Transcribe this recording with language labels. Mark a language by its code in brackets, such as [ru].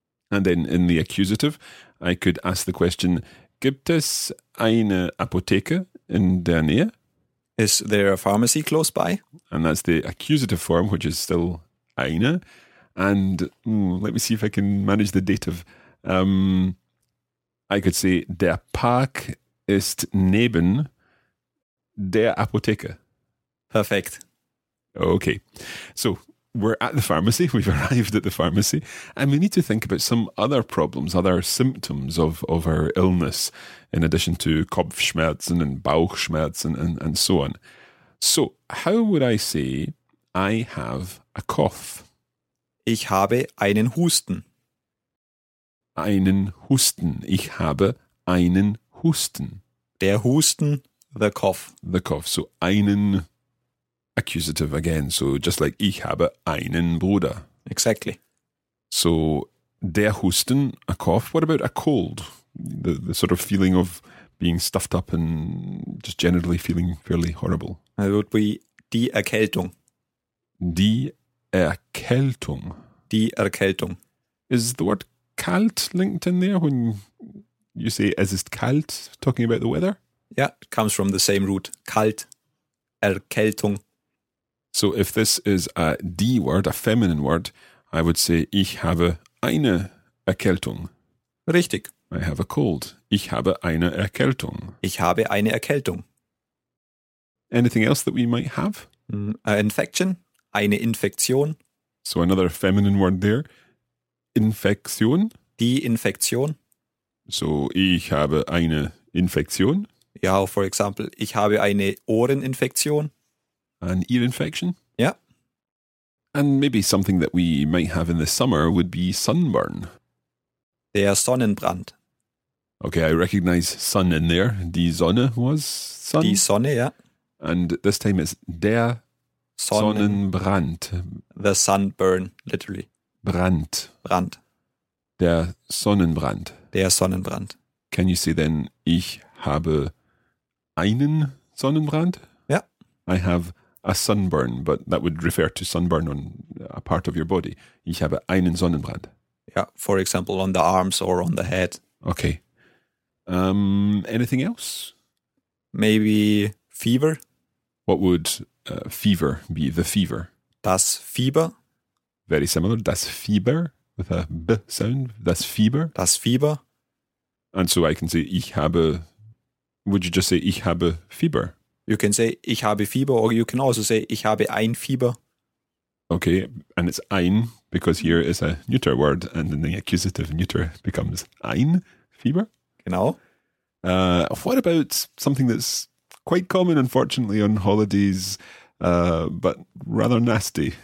[en] And then in the accusative, I could ask the question, [de] gibt es eine Apotheke in der Nähe? [en] Is there a pharmacy close by? And that's the accusative form, which is still eine. And let me see if I can manage the dative. I could say, [de] der Park ist neben der Apotheke. [en] Perfect. Okay. So, we're at the pharmacy. We've arrived at the pharmacy. And we need to think about some other problems, other symptoms of our illness, in addition to Kopfschmerzen and Bauchschmerzen and so on. So, how would I say, I have a cough? [de] Ich habe einen Husten. einen Husten. Ich habe einen Husten. Der Husten, [en] the cough. The cough. So einen accusative again. So just like [de] ich habe einen Bruder. [en] Exactly. So der Husten, a cough. What about a cold? The sort of feeling of being stuffed up and just generally feeling fairly horrible. It would be die Erkältung. [de] Die Erkältung. Die Erkältung. [en] Is the word kalt linked in there when you say [de] es ist kalt, [en] talking about the weather? Yeah, it comes from the same root, kalt, Erkältung. So if this is a die word, a feminine word, I would say [de] ich habe eine Erkältung. Richtig. [en] I have a cold. [de] Ich habe eine Erkältung. Ich habe eine Erkältung. [en] Anything else that we might have? An infection. [de] Eine Infektion. [en] So another feminine word there. [de] Infektion. Die Infektion. So ich habe eine Infektion. Ja, [en] for example, [de] ich habe eine Ohreninfektion. [en] An ear infection. Yeah. And maybe something that we might have in the summer would be sunburn. [de] Der Sonnenbrand. [en] Okay, I recognize sun in there. [de] Die Sonne [en] was sun. [de] Die Sonne, yeah. [en] And this time it's der Sonnenbrand. The sunburn, literally. [de] Brand. Brand. Der Sonnenbrand. Der Sonnenbrand. [en] Can you say then, [de] ich habe einen Sonnenbrand? [en] Yeah. I have a sunburn, but that would refer to sunburn on a part of your body. [de] Ich habe einen Sonnenbrand. [en] Yeah, for example, on the arms or on the head. Okay. Anything else? Maybe fever. What would fever be? The fever. [de] Das Fieber. [en] Very similar. Das Fieber with a B sound. Das Fieber. [de] Das Fieber. [en] And so I can say ich habe. Would you just say [de] ich habe Fieber? [en] You can say [de] ich habe Fieber, [en] or you can also say [de] ich habe ein Fieber. [en] Okay, and it's ein, because here is a neuter word, and then the accusative neuter becomes ein Fieber. [de] Genau. [en] What about something that's quite common, unfortunately, on holidays, but rather nasty?